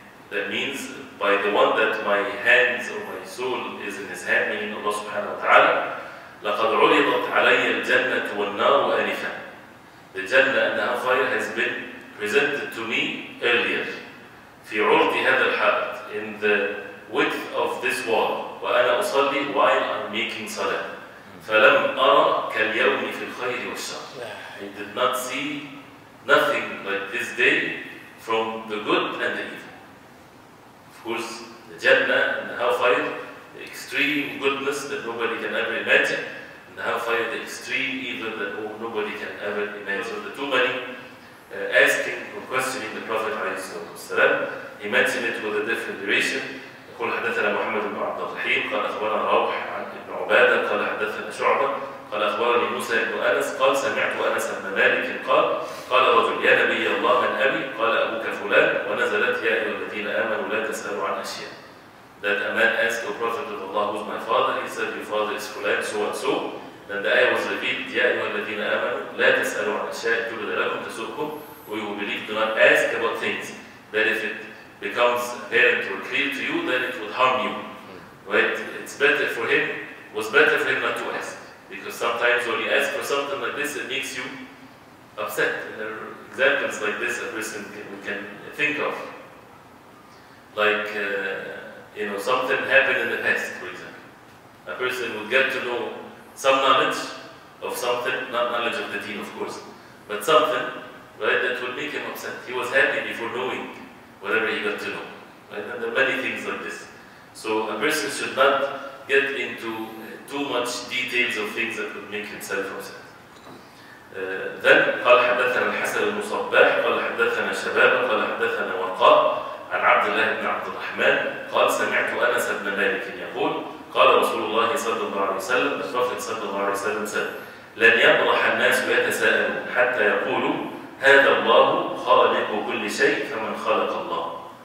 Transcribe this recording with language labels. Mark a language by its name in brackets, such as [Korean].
[English] That means by the one that my hands or my soul is in his hand, meaning Allah subhanahu wa ta'ala. [Arabic] لقد عرضت علي الجنة والنار آنفا. [English] The Jannah and the Hellfire has been presented to me earlier. [Arabic] في عرض هذا الحائط, [English] in the width of this wall. [Arabic] وأنا أصلي [English] while I'm making salah. [Arabic] فلم أرى كاليوم في الخير والشر. [English] I did not see nothing like this day from the good and the evil. Of course, the Jannah and the Hellfire, the extreme goodness that nobody can ever imagine, and the Hellfire, the extreme evil that nobody can ever imagine. So the two many asking or questioning the Prophet والسلام, he mentioned it with a different duration. [Arabic] قال حدثنا محمد بن عبد الرحيم قال أخبرنا روح عن ابن عبادة قال حدثنا شعبة قال أخبرني موسى بن أنس قال سمعت أنس بن مالك قال قال رجل يا نبي الله من أبي قال أبوك فلان ونزلت يا أيها الذين آمنوا لا تسألوا عن أشياء. [English] That a man asked the Prophet of Allah, who's my father, he said your father is fulan, so and so. Then the ayah was revealed, [Arabic] يا أيها الذين آمنوا لا تسألوا عن أشياء تبدى لكم تسؤكم. [English] Who you believe do not ask about things that if it becomes apparent or clear to you, then it would harm you. Right? It's better for him, was better for him not to ask. Because sometimes when you ask for something like this, it makes you upset. And there are examples like this a person can think of. Like, you know, something happened in the past, for example. A person would get to know some knowledge of something, not knowledge of the deen, of course, but something, right, that would make him upset. He was happy before knowing whatever he got to know. Right? And there are many things like this. So a person should not get into too much details of things that would make himself upset. [Arabic] Then, قال حدثنا الحسن المصباح قال حدثنا شباب قال حدثنا وقاء عن عبد الله بن عبد الرحمن قال سمعت أنس بن مالك يقول قال رسول الله صلى الله عليه وسلم الصفحة صلى الله عليه وسلم سأل لن يبرح الناس ويتساءلوا حتى يقولوا هذا الله خالق كل شيء فمن خلق الله.